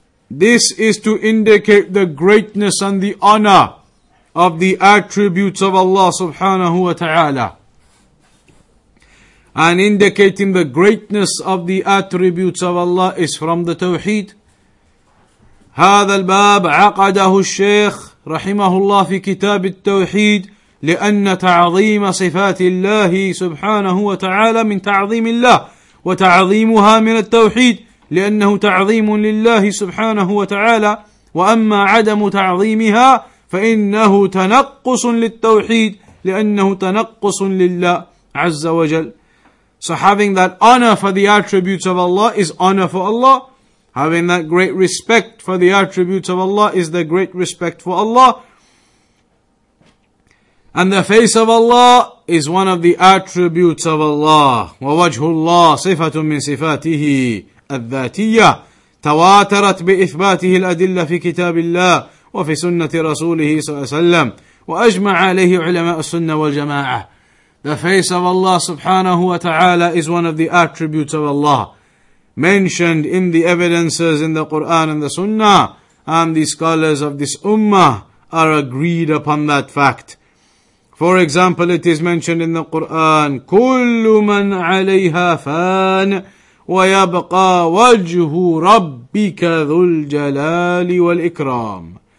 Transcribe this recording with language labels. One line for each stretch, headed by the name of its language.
English: This is to indicate the greatness and the honor of the attributes of Allah subhanahu wa ta'ala. And indicating the greatness of the attributes of Allah is from the Tawheed.
Arabic: هذا الباب عقده الشيخ رحمه الله في كتاب التوحيد لأن تعظيم صفات الله سبحانه وتعالى من تعظيم الله وتعظيمها من التوحيد لأنه تعظيم لله سبحانه وتعالى وأما عدم تعظيمها فإنه تنقص للتوحيد لأنه تنقص لله عز وجل.
English: So having that honor for the attributes of Allah is honor for Allah. Having that great respect for the attributes of Allah is the great respect for Allah. And the face of Allah is one of the attributes of Allah.
Arabic: وَوَجْهُ اللَّهِ صِفَةٌ مِّن صِفَاتِهِ الذَّاتِيَّةِ تَوَاتَرَتْ بِإِثْبَاتِهِ الْأَدِلَّةِ فِي كِتَابِ اللَّهِ وفي سنة رسوله صلى الله عليه وسلم وأجمع عليه علماء السنة والجماعة.
English: The face of Allah subhanahu wa ta'ala is one of the attributes of Allah mentioned in the evidences in the Quran and the Sunnah, and the scholars of this ummah are agreed upon that fact. For example, it is mentioned in the Quran,
Arabic: كُلُّ مَنْ عَلَيْهَا فَانْ وَيَبْقَى وَجْهُ رَبِّكَ ذُو الْجَلَالِ وَالْإِكْرَامِ.